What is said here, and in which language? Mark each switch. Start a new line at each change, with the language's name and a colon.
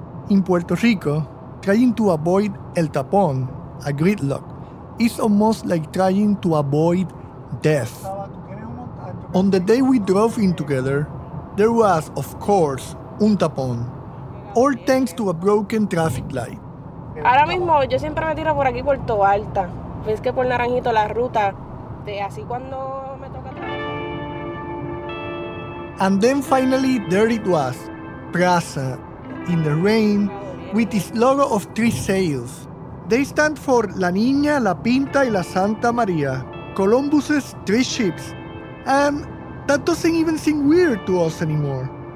English: In Puerto Rico, trying to avoid el tapón, a gridlock, is almost like trying to avoid death. On the day we drove in together, there was, of course, un tapón, all thanks to a broken traffic light.
Spanish: Ahora mismo, yo siempre me tiro por aquí por Toa Alta. Ves que por Naranjito la ruta, de así cuando...
English: And then finally, there it was, Plaza, in the rain, with its logo of three sails. They stand for La Niña, La Pinta, y La Santa María, Columbus's three ships. And that doesn't even seem weird to us anymore.